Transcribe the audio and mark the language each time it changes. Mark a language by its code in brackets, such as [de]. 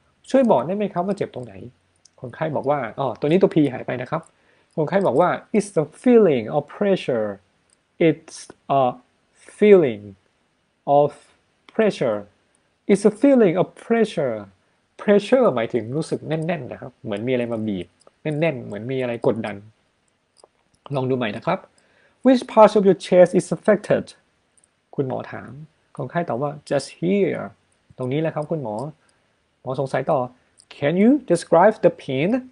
[th] ช่วยบอกได้ไหมครับว่าเจ็บตรงไหนคนไข้บอกว่าอ๋อตัวนี้ตัว P หายไปนะครับคนไข้บอกว่า [en] It's the feeling of pressure. It's a feeling of pressure. It's a feeling of pressure. [th] Pressure หมายถึงรู้สึกแน่นๆนะครับเหมือนมีอะไรมาบีบแน่นๆเหมือนมีอะไรกดดันลองดูใหม่นะครับ [en] Which part of your chest is affected? [th] คุณหมอถามคนไข้ตอบว่า [en] just here [th] ตรงนี้แหละครับคุณหมอหมอสงสัยต่อ [en] Can you describe the pain?